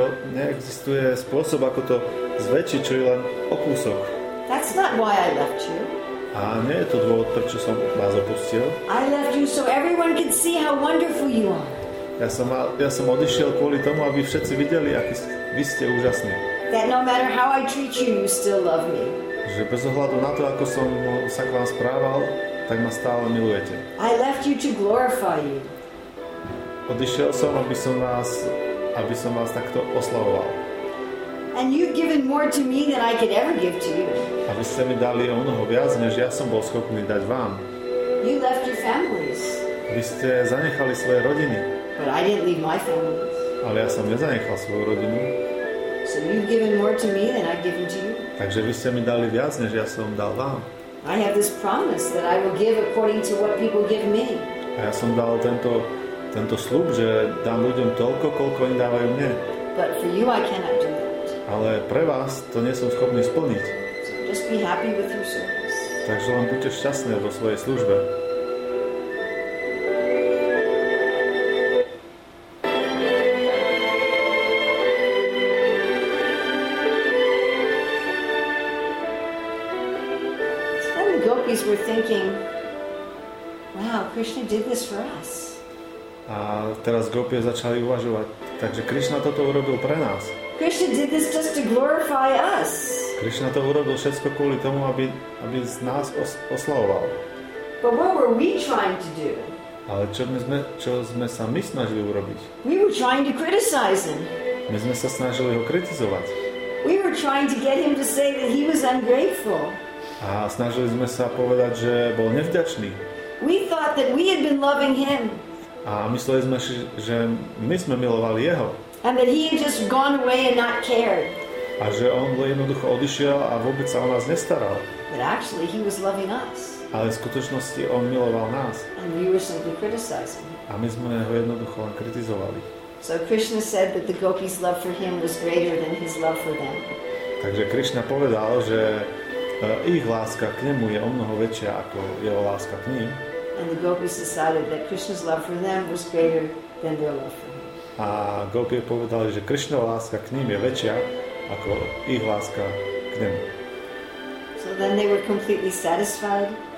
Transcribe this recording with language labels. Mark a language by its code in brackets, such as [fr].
[sk] Neexistuje spôsob, ako to zväčšiť, čo je len o kúsok. [en] That's not why I left you. [sk] A nie je to dôvod, prečo som vás opustil. [en] I left you so everyone could see how wonderful you are. [sk] Ja som odišiel kvôli tomu, aby všetci videli, aký vy ste úžasní. [en] That no matter how I treat you, you still love me. [sk] Že bez ohľadu na to, ako som sa k vám správal, tak ma stále milujete. [en] I left you to glorify you. [sk] Odišiel som, aby som vás takto oslavoval. [en] And you've given more to me than I could ever give to you. [sk] A vy ste mi dali o mnoho viac, než ja som bol schopný dať vám. [en] You left your families. [sk] Vy ste zanechali svoje rodiny. [en] But I didn't leave my family. [sk] Ale ja som nezanechal svoju rodinu. [en] So you've given more to me than I've given to you. [sk] Takže vy ste mi dali viac, než ja som dal vám. [en] I have this promise that I will give according to what people give me. [sk] A ja som dal tento sľub, že dám ľuďom toľko, koľko im dávajú mne. [en] But for you I cannot do that. [sk] Ale pre vás to nie som schopný splniť. [en] So just be happy with your service. [sk] Takže len buďte šťastné vo svojej službe. [en] We're thinking, wow, Krishna did this for us. [sk] A teraz gopie začali uvažovať, takže Krishna toto urobil pre nás. [en] Krishna did this just to glorify us. [sk] Krishna to urobil všetko kvôli tomu, aby z nás oslavoval. [en] But what were we trying to do? [sk] Ale čo sme sa my snažili urobiť? [en] We were trying to criticize him. [sk] My sme sa snažili ho kritizovať. [en] We were trying to get him to say that he was ungrateful. [sk] A snažili sme sa povedať, že bol nevďačný. [en] We thought that we had been loving him. [sk] A mysleli sme, že my sme milovali jeho. [en] And that he had just gone away and not cared. [sk] A že on jednoducho odišiel a vôbec sa o nás nestaral. [en] But actually he was loving us. [sk] Ale v skutočnosti on miloval nás. [en] And we were simply criticizing him. [sk] A my sme ho jednoducho len kritizovali. [en] So Krishna said that the gopi's love for him was greater than his love for them. [sk] Takže Krishna povedal, že ich láska k nemu je o mnoho väčšia ako jeho láska k ním. [en] And the gopis decided that Krishna's love for them was greater than their love for him. [sk] A gopie povedali, že Krishnova láska k ním je väčšia ako ich láska k nemu. [en] So then they were completely satisfied.